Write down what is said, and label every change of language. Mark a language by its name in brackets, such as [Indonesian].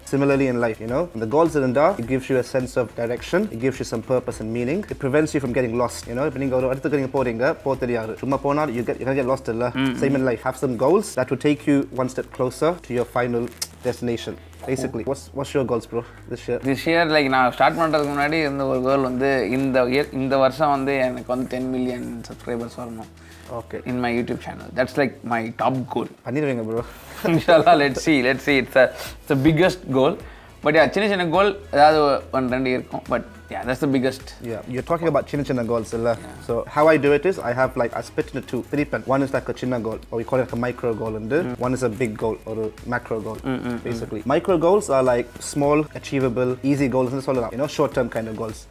[English] Similarly in life, you know? And the goals are in there. It gives you a sense of direction. It gives you some purpose and meaning. It prevents you from getting lost, you know? If you want to go to the other side, you don't know. You're going to get lost. Mm-hmm. Same in life. Have some goals that will take you one step closer to your final destination. Basically, what's your goals, bro, this year? [Tamil] Like, நான் start பண்ணுறதுக்கு முன்னாடி இருந்த ஒரு கோல் வந்து இந்த year, இந்த வருஷம் வந்து எனக்கு வந்து 10 million சப்ஸ்கிரைபர்ஸ் வரணும். [English] Okay. In my YouTube channel. That's like my top goal. [Tamil] பண்ணிடுவீங்க bro. [English] இன்ஷால்லா, let's see. It's the biggest goal. [Tamil] But yeah, சின்ன சின்ன கோல் ஏதாவது ஒன் ரெண்டு இருக்கும். [English] But yeah, that's the biggest. Yeah, you're talking about chinna chinna goals, illa. Yeah. So how I do it is, I have like, I split into two, three pen. One is like a chinna goal, or we call it like a micro goal, and one is a big goal, or a macro goal, basically. Mm-hmm. Micro goals are like small, achievable, easy goals, and so on. You know, short-term kind of goals.